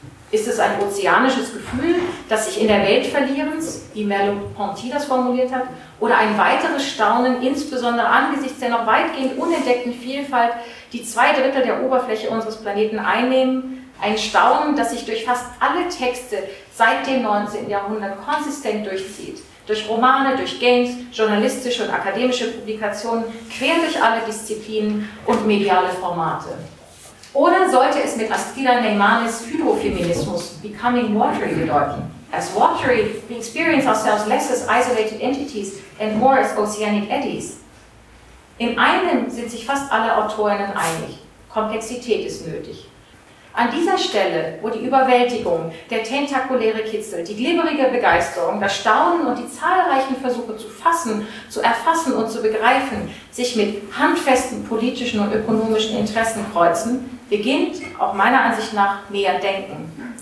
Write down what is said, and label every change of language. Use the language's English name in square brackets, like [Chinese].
[German] Ist es ein ozeanisches Gefühl, das sich in der Welt verlierens, wie Merleau-Ponty das formuliert hat, oder ein weiteres Staunen, insbesondere angesichts der noch weitgehend unentdeckten Vielfalt, die 2/3 der Oberfläche unseres Planeten einnehmen, ein Staunen, das sich durch fast alle Texte seit dem 19. Jahrhundert konsistent durchzieht, durch Romane, durch Games, journalistische und akademische Publikationen, quer durch alle Disziplinen und mediale Formate. Oder sollte es mit Astrida Neymanis Hydrofeminismus Becoming Watery bedeuten? [English] As watery, we experience ourselves less as isolated entities and more as oceanic eddies. [German] In einem sind sich fast alle Autorinnen einig. Komplexität ist nötig. An dieser Stelle, wo die Überwältigung, der tentakuläre Kitzel, die glibberige Begeisterung, das Staunen und die zahlreichen Versuche zu fassen, zu erfassen und zu begreifen, sich mit handfesten politischen und ökonomischen Interessen kreuzen, beginnt, auch meiner Ansicht nach, mehr Denken.